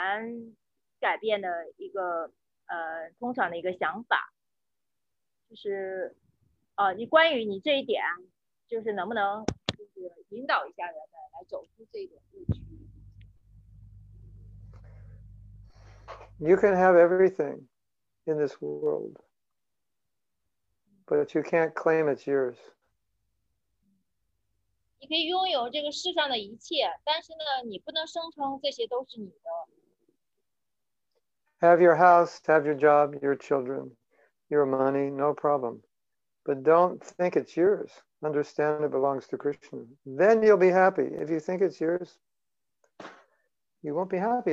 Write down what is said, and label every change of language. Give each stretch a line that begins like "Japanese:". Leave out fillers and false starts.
Chinese: 这一点是很难改变的一个, 通常的一个想法。就是, 你关于你这一点, 就是能不能就是引导一下人们来走出这个误区。
English: You can have everything in this world, but you can't claim it's yours.
Chinese: 你可以拥有这个世上的一切, 但是呢,你不能声称这些都是你的。
English: Have your house, have your job, your children, your money, no problem. But don't think it's yours. Understand it belongs to Krishna. Then you'll be happy. If you think it's yours, you won't be happy.